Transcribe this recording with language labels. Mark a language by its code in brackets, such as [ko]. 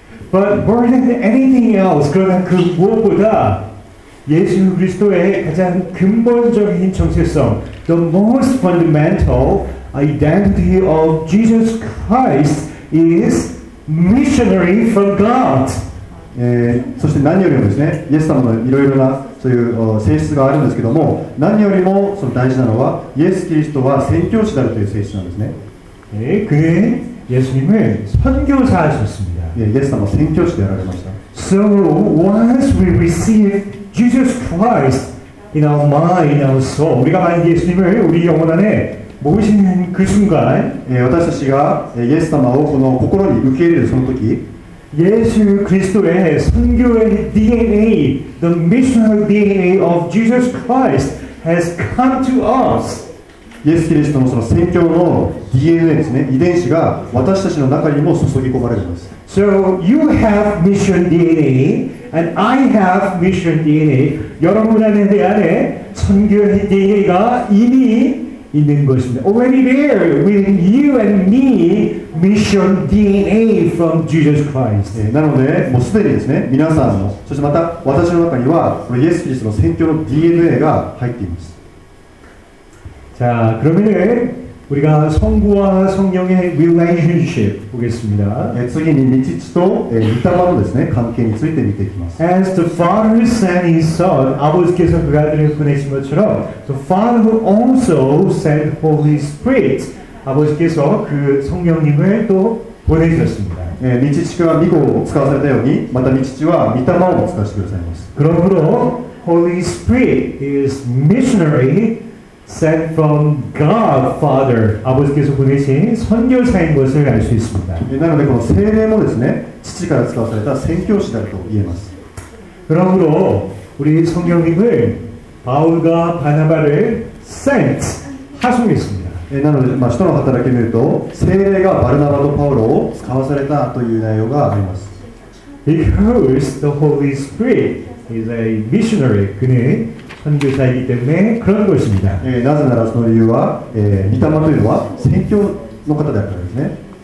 [en] But more than anything else, [ko] 그러나 그 무엇보다 예수그리스도의 가장 근본적인 정체성 [en] The most fundamental identity of Jesus Christ is Missionary from God. [ja] そして何よりもですね、イエス様のいろいろなそういう性質があるんですけども、何よりもその大事なのはイエスキリストは宣教師であるという性質なんですね。 [ko] 그는예수님은선교사셨습니다。 [ja] 예、イエス様は宣教師でやられました。 [en] So once we receive Jesus Christ in our mind, in our soul, [ko] 우리가만약예수님을우리영혼안에모시는그순간 [ja] 私たちがイエス様をこの心に受け入れるその時 [ko] 예수그리스도의선교의 [en] DNA The missionary DNA of Jesus Christ has come to us [ja] 예수그리스도の宣教の DNA ですね遺伝子が私たちの中にも注ぎ込まれます [en] So you have mission DNA and I have mission DNA [ko] 여러분안에대한선교의 DNA 가이미있는것입니다 [en] Already there with you and me mission DNA from Jesus Christ. [ja] 네なのでもうすでにですね皆さんのそしてまた私の中にはこのイエスキリストの宣教の DNA が入っています [ko] 자그러면은우리가성부와성령의 relationship 보겠습니다 [ja] 次に御父と御霊のですね関係について見ていきます [en] As the Father sent His Son [ko] 아버지께서그아들을보내신것처럼 [en] The Father also sent Holy Spirit [ko] 아버지께서그성령님을또보내셨습니다 [ja] 御父が御子を使わされたようにまた御父は御霊を使わせてくださいます [ko] 그러므로 [en] Holy Spirit is missionary sent from God Father [ko] 아버지께서보내신선교사인것을알수있습니다 [ja] なのでこの聖霊もですね父から使わされた宣教師だと言えます [ko] 그러므로우리성령님은바울과바나바를 sent 하송했습니다 [ja] なので使徒の働きを見ると聖霊がバルナバとパウロを使わされたという内容があります [en] Because the Holy Spirit is a missionary [ko] 그는선교사이기때문에그런것입니다 [ja] なぜならその理由は御霊というのは宣教の方だからですね